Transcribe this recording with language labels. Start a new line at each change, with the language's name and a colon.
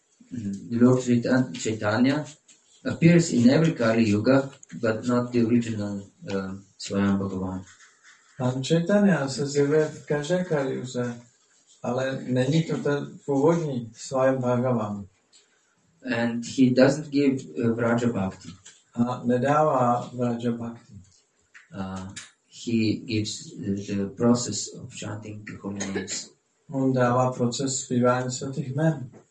English: Here, Lord Sri Chaitanya appears in every Kali Yuga, but not the original Svayam Bhagavan.
Czech: Pán Chaitanya se zjevuje v každé Kali Yuze, ale není to ten původní Svayam Bhagavan.
English: And he doesn't give Vraja Bhakti.
Czech: A nedává Vraja Bhakti.
English: He gives the process of chanting the holy names.
Czech: On dává proces zpívání svatých jmen.